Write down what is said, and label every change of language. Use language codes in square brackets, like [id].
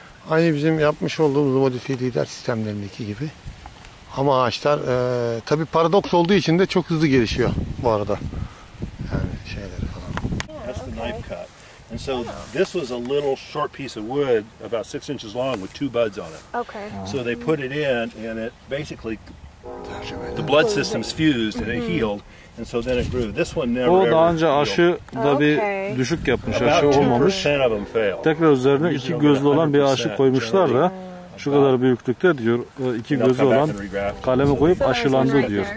[tr] Aynı bizim yapmış olduğumuz modifiye lider sistemlerindeki gibi. Ama ağaçlar tabi paradoks olduğu için de çok hızlı gelişiyor bu arada. Yani şeyler. [en] Knife cut, and so this was a little short piece of wood, about 6 inches long, with 2 buds on it. Okay. So they put it in, and it basically the blood systems fused and it healed, and so then it grew. This one never. [tr] O daha önce aşı da bir düşük yapmış, aşı olmamış. Tekrar üzerine iki gözlü olan bir aşı koymuşlar da şu kadar büyüklükte diyor, iki gözü olan kalemi koyup aşılandı diyor.